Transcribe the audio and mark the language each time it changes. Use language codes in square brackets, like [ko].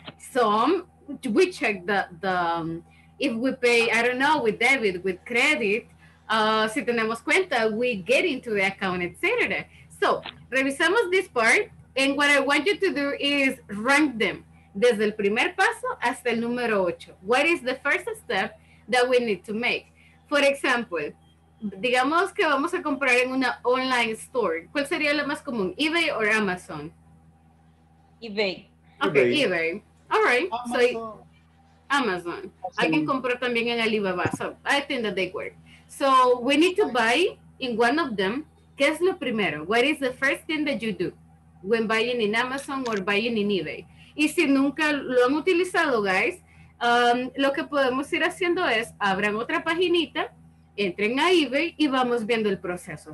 [en] Some, we check the if we pay, I don't know, with debit, with credit, [es] si tenemos cuenta, [en] we get into the account, etc. So, revisamos this part, and what I want you to do is rank them, [es] desde el primer paso hasta el número 8. [en] What is the first step that we need to make? [es] For example, digamos que vamos a comprar en una online store. ¿Cuál sería la más común? ¿eBay o Amazon? [en] eBay. Okay, eBay. All right. Amazon. So Amazon. I can [es] comprar también [en] en Alibaba. So I think that they work. So we need to buy in one of them. [es] ¿Qué es lo primero? [en] What is the first thing that you do when buying in Amazon or buying in eBay? [es] Y si nunca lo han utilizado, guys, lo que podemos ir haciendo es, abran otra paginita, entren a eBay y vamos viendo el proceso.